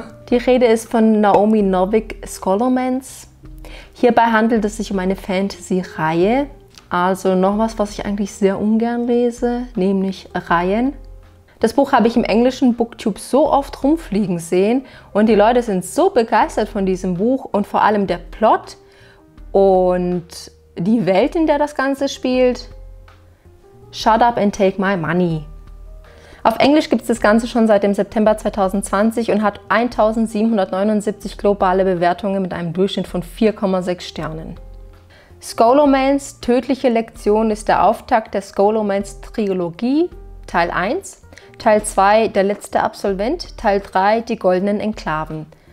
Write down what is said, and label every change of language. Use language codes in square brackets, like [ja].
[de] Die Rede ist von Naomi Novik Scholomance. Hierbei handelt es sich um eine Fantasy-Reihe, also noch was ich eigentlich sehr ungern lese, nämlich Reihen. Das Buch habe ich im englischen Booktube so oft rumfliegen sehen und die Leute sind so begeistert von diesem Buch und vor allem der Plot und die Welt, in der das Ganze spielt. [en] Shut up and take my money. [de] Auf Englisch gibt es das Ganze schon seit dem September 2020 und hat 1779 globale Bewertungen mit einem Durchschnitt von 4,6 Sternen. Scholomance – Tödliche Lektion ist der Auftakt der Scholomance Trilogie, Teil 1, Teil 2 – Der letzte Absolvent, Teil 3 – Die goldenen Enklaven.